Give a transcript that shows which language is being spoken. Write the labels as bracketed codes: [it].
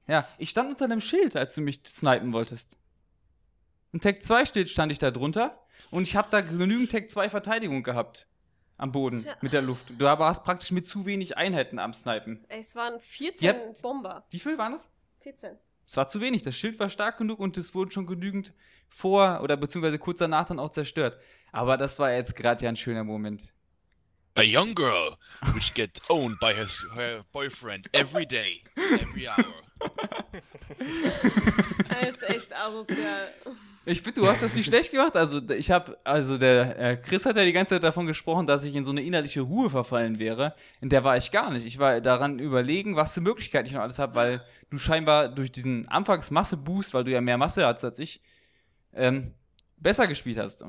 [de] Ja, ich stand unter einem Schild, als du mich snipen wolltest. Im Tick 2 Schild stand ich da drunter und ich habe da genügend Tick 2 Verteidigung gehabt am Boden mit der Luft. Du aber hast praktisch mit zu wenig Einheiten am Snipen. Ey, es waren 14 Bomber. Wie viel waren das? 14. Es war zu wenig, das Schild war stark genug und es wurden schon genügend vor oder beziehungsweise kurz danach dann auch zerstört. Aber das war jetzt gerade ja ein schöner Moment. [en] A young girl which gets owned by her boyfriend every day, every hour. [de] Er ist echt arrogant. Ich finde, du hast das nicht schlecht gemacht. Also ich habe, also der Chris hat ja die ganze Zeit davon gesprochen, dass ich in so eine innerliche Ruhe verfallen wäre. In der war ich gar nicht. Ich war daran überlegen, was für Möglichkeiten ich noch alles habe, weil du scheinbar durch diesen Anfangsmasse-Boost, weil du ja mehr Masse hast als ich, besser gespielt hast.